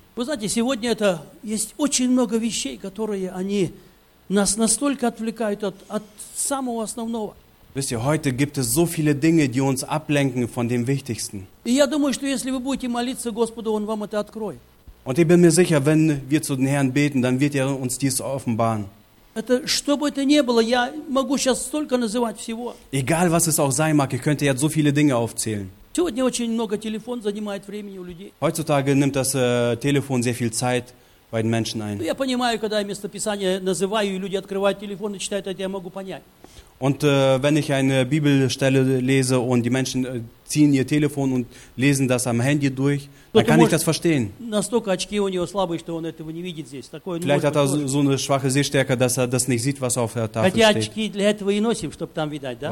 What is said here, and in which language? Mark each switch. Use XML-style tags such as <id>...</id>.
<ru>Вы знаете, сегодня это есть очень много вещей, которые они нас настолько отвлекают от самого основного.</ru> <de>Wisst ihr, heute gibt es so viele Dinge, die uns ablenken von dem Wichtigsten.</de> <ru>И я думаю, что если вы будете молиться Господу, Он вам это откроет.</ru> <de>Und ich bin mir sicher, wenn wir zu den Herrn beten, dann wird er uns dies offenbaren.</de> <ru>Это что бы это ни было, я могу сейчас столько называть всего.</ru> <de>Egal was es auch sein mag, ich könnte jetzt so viele Dinge aufzählen.</de> <ru>Сегодня очень много телефон занимает времени у людей.</ru> <de>Heutzutage nimmt das Telefon sehr viel Zeit bei den Menschen ein.</de> <ru>Я понимаю, когда я место Писания называю и люди открывают телефон и читают это, я могу понять.</ru> <de>Und wenn ich eine Bibelstelle lese und die Menschen ziehen ihr Telefon und lesen das am Handy durch, dann kann ich das verstehen. Vielleicht hat er so eine schwache Sehstärke, dass er das nicht sieht, was auf der Tafel steht.</de>